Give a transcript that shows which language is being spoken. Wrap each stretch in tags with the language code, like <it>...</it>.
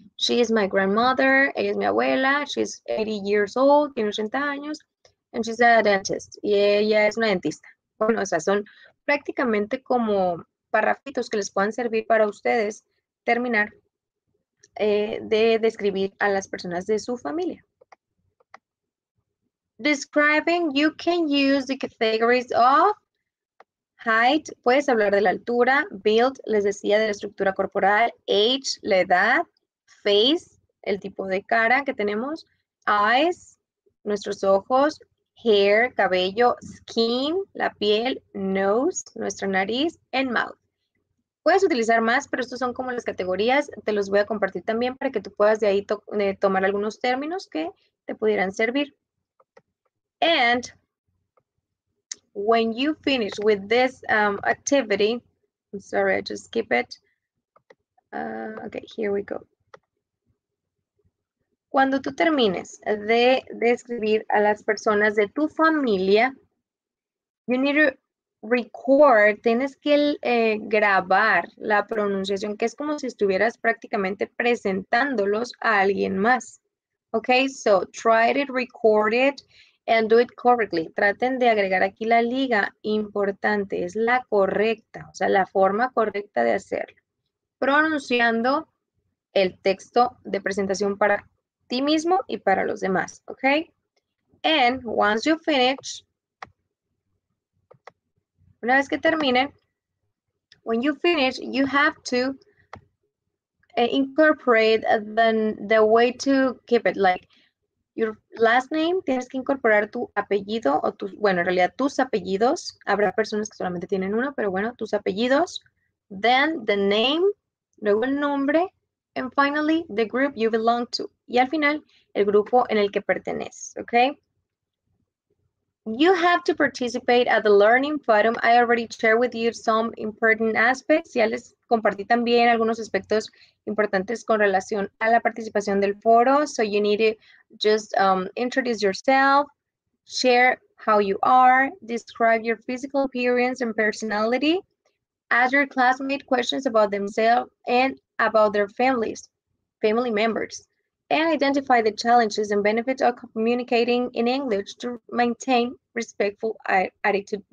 <en>She is my grandmother.</en> <es>Ella es mi abuela.</es> <en>She is 80 years old.</en> <es>Tiene 80 años.</es> <en>And she's a dentist.</en> <es>Y ella es una dentista. Bueno, o sea, son prácticamente como parrafitos que les puedan servir para ustedes terminar de describir a las personas de su familia.</es> <en>Describing, you can use the categories of height.</en> <es>Puedes hablar de la altura, build, les decía, de la estructura corporal, age, la edad, face, el tipo de cara que tenemos, eyes, nuestros ojos, hair, cabello, skin, la piel, nose, nuestra nariz, and mouth. Puedes utilizar más, pero estos son como las categorías. Te los voy a compartir también para que tú puedas de ahí tomar algunos términos que te pudieran servir.</es> <en>And when you finish with this activity, I'm sorry, I just skip it. Okay, here we go.</en> <es>Cuando tú termines de describir a las personas de tu familia,</es> <en>you need to record,</en> <es>tienes que grabar la pronunciación, que es como si estuvieras prácticamente presentándolos a alguien más.</es> <en>Okay, so try to record it and do it correctly.</en> <es>Traten de agregar aquí la liga importante, es la correcta, o sea, la forma correcta de hacerlo. Pronunciando el texto de presentación para ti mismo y para los demás, okay?</es> <en>And once you finish,</en> <es>una vez que terminen,</es> <en>when you finish, you have to incorporate the way to keep it, like your last name,</en> <es>tienes que incorporar tu apellido o tu, bueno, en realidad tus apellidos,</es> <en>habrá personas que solamente tienen uno, pero bueno, tus apellidos, then the name,</en> <es>luego el nombre,</es> <en>and finally, the group you belong to.</en> <es>Y al final, el grupo en el que perteneces, okay?</es> <en>You have to participate at the Learning Forum. I already shared with you some important aspects.</en> <es>Ya les compartí también algunos aspectos importantes con relación a la participación del foro.</es> <en>So you need to just introduce yourself, share how you are, describe your physical appearance and personality, ask your classmates questions about themselves and about their families, family members, and identify the challenges and benefits of communicating in English to maintain respectful attitude.</en>